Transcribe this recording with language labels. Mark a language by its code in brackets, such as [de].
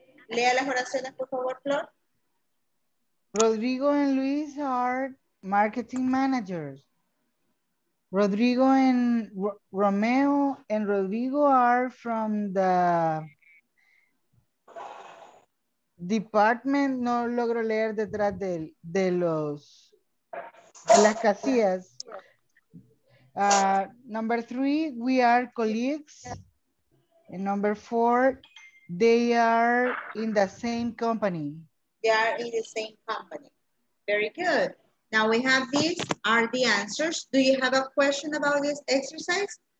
[es] Lea las oraciones, por favor, Flor. [en] Rodrigo and Luis are marketing managers. Rodrigo and Romeo and Rodrigo are from the department. [es] No logro leer detrás de los las casillas. [en] Number three, we are colleagues. And number four, they are in the same company. They are in the same company. Very good. Now we have these are the answers. Do you have a question about this exercise?